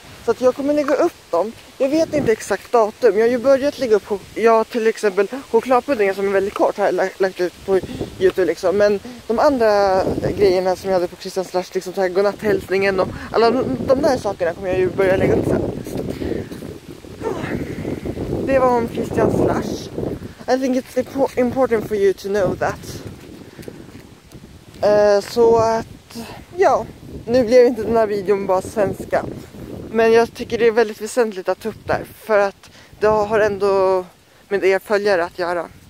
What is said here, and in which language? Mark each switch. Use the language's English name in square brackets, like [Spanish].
[Swedish] Så att jag kommer lägga upp dem. Jag vet inte exakt datum. Jag har ju börjat lägga upp, jag till exempel chokladpuddingen som är väldigt kort har jag lagt ut på YouTube liksom. Men de andra grejerna som jag hade på Christian Slash, liksom så här godnatthälsningen och alla de där sakerna kommer jag ju börja lägga upp sen. Det var om Christian Slash. [English] I think it's important for you to know that. [Swedish] Så att, ja, nu blev inte den här videon bara svenska. Men jag tycker det är väldigt väsentligt att ta upp där. För att det har ändå med er följare att göra.